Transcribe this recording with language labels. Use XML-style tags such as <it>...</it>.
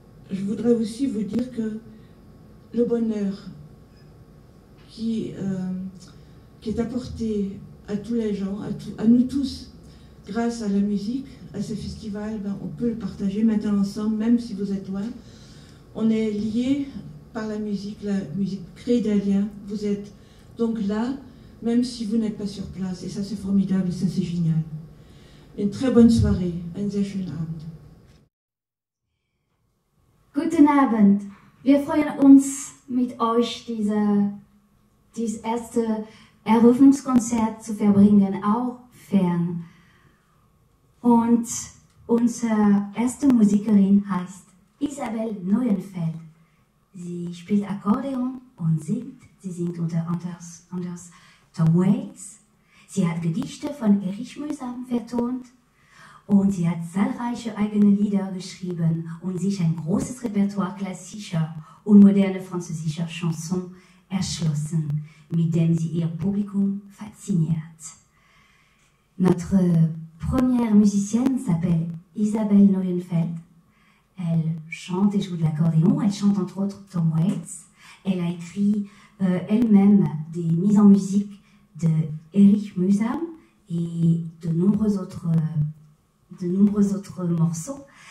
<fr>je voudrais aussi vous dire que le bonheur qui est apporté à tous les gens, à nous tous, grâce à la musique, à ces festivals, ben, on peut le partager maintenant ensemble, même si vous êtes loin. On est liés par la musique crée des liens. Vous êtes donc là, même si vous n'êtes pas sur place. Et ça, c'est formidable, ça, c'est génial. Une très bonne soirée.</fr> <de>Einen sehr schönen Abend. Guten Abend. Wir freuen uns mit euch, dieses erste Eröffnungskonzert zu verbringen, auch fern. Und unsere erste Musikerin heißt Isabel Neuenfeld. Sie spielt Akkordeon und singt. Sie singt unter anderem Tom Waits. Sie hat Gedichte von Erich Mühsam vertont. Und sie hat zahlreiche eigene Lieder geschrieben und sich ein großes Repertoire klassischer und moderner französischer Chansons erschlossen, mit dem sie ihr Publikum fasziniert.</de> <fr>Notre première musicienne s'appelle Isabel Neuenfeld. Elle chante et joue de l'accordéon. Elle chante entre autres Tom Waits. Elle a écrit elle-même des mises en musique de Erich Mühsam et de nombreux autres morceaux.</fr>